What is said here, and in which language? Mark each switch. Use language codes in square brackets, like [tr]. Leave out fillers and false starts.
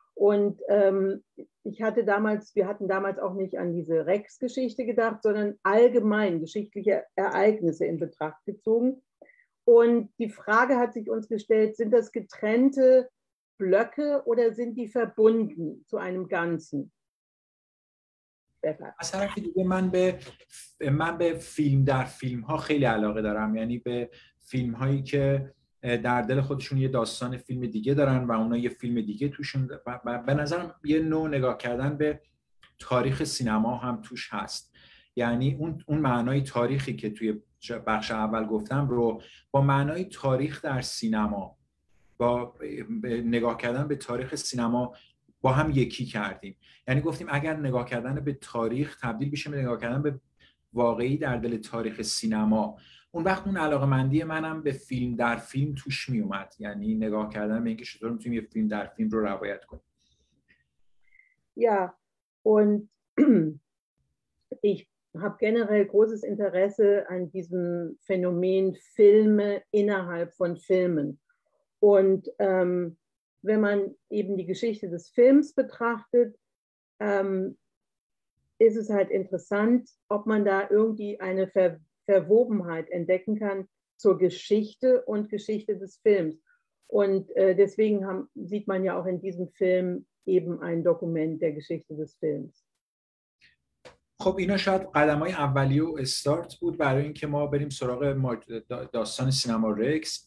[de] Und wir hatten damals auch nicht an diese Rex-Geschichte gedacht, sondern allgemein geschichtliche Ereignisse in Betracht gezogen. Und die Frage hat sich uns gestellt, sind das getrennte Blöcke oder sind die verbunden zu einem Ganzen? [fa] از طرف دیگه من به فیلم در فیلم ها خیلی علاقه دارم یعنی به فیلم هایی که در دل خودشون یه داستان فیلم دیگه دارن و اونا یه فیلم دیگه توشون و به نظرم یه نوع نگاه کردن به تاریخ سینما هم توش هست. یعنی اون معنای تاریخی که توی بخش اول گفتم رو با معنای تاریخ در سینما با نگاه کردن به تاریخ سینما با هم یکی کردیم. یعنی گفتیم اگر نگاه کردن به تاریخ تبدیل بشه به نگاه کردن به واقعی در دل تاریخ سینما، اون وقت اون علاقمندی منم به فیلم در فیلم توش می اومد. یعنی نگاه کردن به اینکه چطور میتونیم یه فیلم در فیلم رو روایت کنیم. [de] Und ich habe generell großes Interesse an diesem Phänomen Filme innerhalb von Filmen. Und wenn man eben die Geschichte des Films betrachtet, ist es halt interessant, ob man da irgendwie eine Verwobenheit entdecken kann zur Geschichte und Geschichte des Films. Und deswegen sieht man ja auch in diesem Film eben ein Dokument der Geschichte des Films. [fa] خب اینا شاید قدم‌های اولیه و استارت بود برای اینکه ما بریم سراغ داستان سینما رکس.